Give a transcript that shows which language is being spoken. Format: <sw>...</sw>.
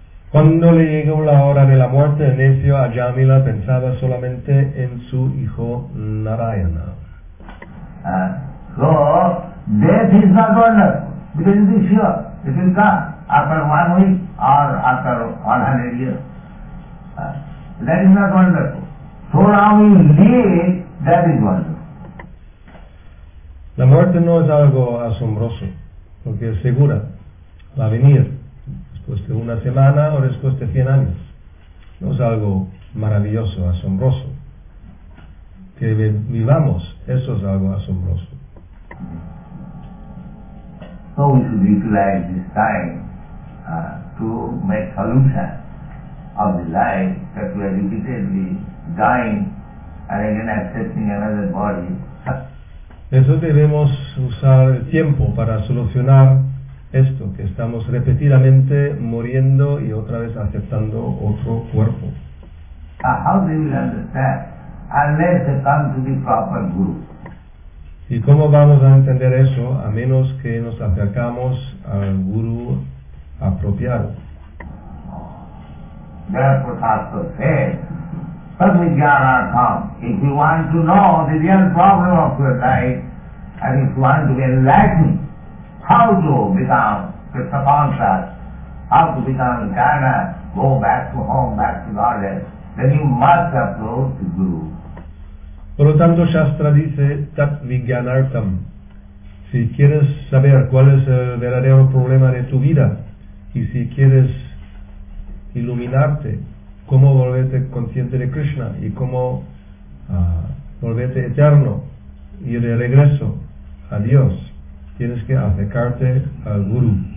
<es>Cuando le llegó la hora de la muerte, el necio Ajamila pensaba solamente en su hijo Narayana.</es> <en>Death is not wonderful, because it is sure, it will come after 1 week or after 100 years. That is not wonderful. So long we live, that is wonderful.</en> <es>La muerte no es algo asombroso, porque es segura, va a venir. Después de una semana o después de 100 años. No es algo maravilloso, asombroso. Que vivamos, eso es algo asombroso.</es> <en>So we should utilize this time to make solution of the life that we are repeatedly dying and again accepting another body.</en> <es>Eso debemos usar el tiempo para solucionar esto, que estamos repetidamente muriendo y otra vez aceptando otro cuerpo.</es> <en>How do you understand unless they come to the proper guru?</en> <es>¿Y cómo vamos a entender eso a menos que nos acercamos al guru apropiado?</es> <en>Therefore, Sastra says, Padmijyanartham, if you want to know the real problem of your life, and if you want to be enlightened, how to become Krishna conscious, how to become jnana, go back to home, back to Godhead, then you must approach the Guru.</en> <es>Por lo tanto, Shastra dice, tat vijnanartam. Si quieres saber cuál es el verdadero problema de tu vida, y si quieres iluminarte, cómo volverte consciente de Krishna, y cómo volverte eterno, y de regreso a Dios, tienes que acercarte al Guru.</es>